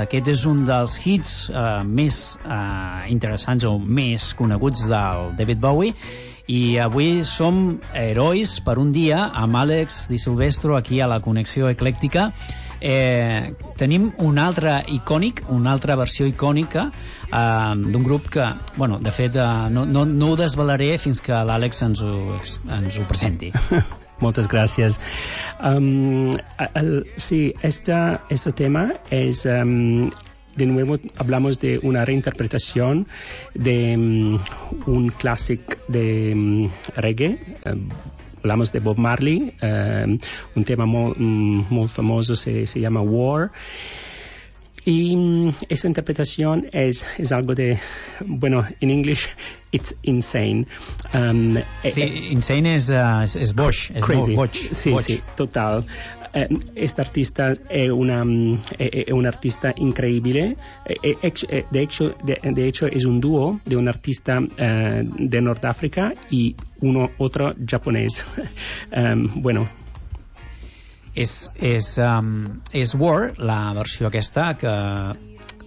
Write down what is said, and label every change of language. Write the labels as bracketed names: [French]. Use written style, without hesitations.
[Catalan] Aquest és un dels hits més interessants o més coneguts del David Bowie, i avui som herois per un dia amb Àlex Di Silvestro aquí a la Connexió Eclèctica. Tenim un altre icònic, una altra versió icònica d'un grup que, bueno, de fet, no ho desvelaré fins que l'Àlex ens ho presenti. Moltes gràcies. [Spanish] Sí, este tema es, de nuevo hablamos de una reinterpretación de un clàssic de reggae. Hablamos de Bob Marley, un tema molt famoso, se llama War. Y esta interpretación es algo de, bueno, [English] in English, it's insane. [Catalan] Insane es boig. [English] Crazy. [Catalan] Boig. [Spanish] Sí, boig. Sí, total. Este artista es un artista increíble. De hecho, es un dúo de un artista de Norteáfrica y uno otro japonés. Bueno. [Catalan] És War, la versió aquesta, que